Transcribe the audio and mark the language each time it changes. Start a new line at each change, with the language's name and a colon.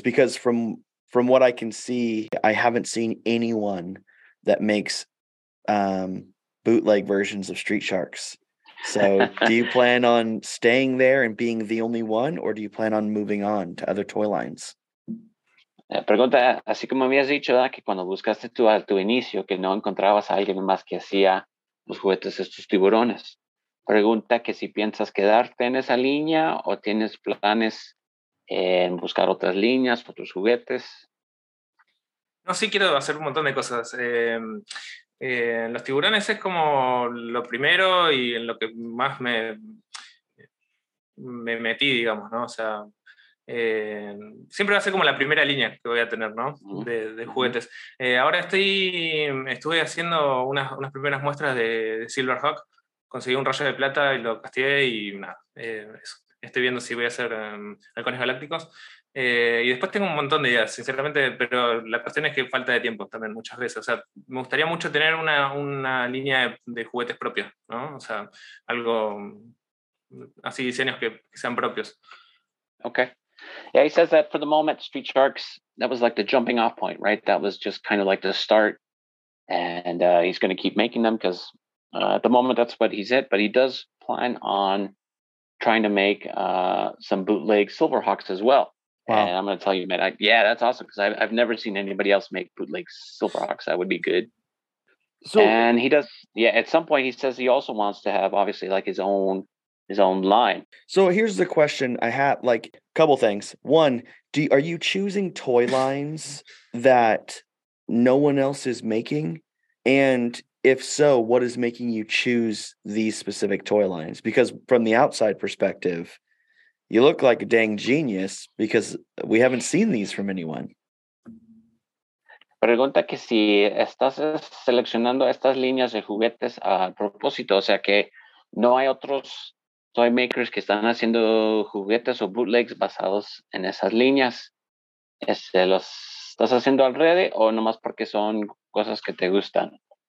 English: Because from what I can see, I haven't seen anyone that makes bootleg versions of Street Sharks. So do you plan on staying there and being the only one, or do you plan on moving on to other toy lines?
Spanish: Pregunta, así como habías dicho, ¿verdad? Que cuando buscaste tú a tu inicio, que no encontrabas a alguien más que hacía los juguetes de estos tiburones. Pregunta que si piensas quedarte en esa línea o tienes planes en buscar otras líneas, otros juguetes. No, sí quiero hacer un montón de cosas. Los tiburones es como lo primero y en lo que más me metí, digamos, ¿no? O sea, siempre va a ser como la primera línea que voy a tener, ¿no? De juguetes. Ahora estuve haciendo unas primeras muestras de Silverhawk. Conseguí un rayo de plata y lo castigué y nada. Estoy viendo si voy a hacer halcones galácticos. Y después tengo un montón de ideas, sinceramente, pero la cuestión es que falta de tiempo también muchas veces. O sea, me gustaría mucho tener una línea de juguetes propios, ¿no? O sea, algo así, diseños que sean propios.
English: Okay. Yeah, he says that for the moment, Street Sharks, that was like the jumping off point, right? That was just kind of like the start. And he's going to keep making them because at the moment, that's what he's at. But he does plan on trying to make some bootleg Silverhawks as well. Wow. And I'm going to tell you, man, that's awesome because I've never seen anybody else make bootleg Silverhawks. That would be good. And he does, at some point, he says he also wants to have, obviously, like his own line. So here's the question I have, like, a couple things. One, are you choosing toy lines that no one else is making? And if so, what is making you choose these specific toy lines? Because from the outside perspective, you look like a dang genius because we haven't seen these from anyone.
Spanish: Pregunta que si estás seleccionando estas líneas de juguetes a propósito, o sea que no hay otros
English: toy makers
Spanish: que están haciendo juguetes o bootlegs basados en esas líneas. ¿Los estás haciendo al revés o nomás porque son cosas que te gustan?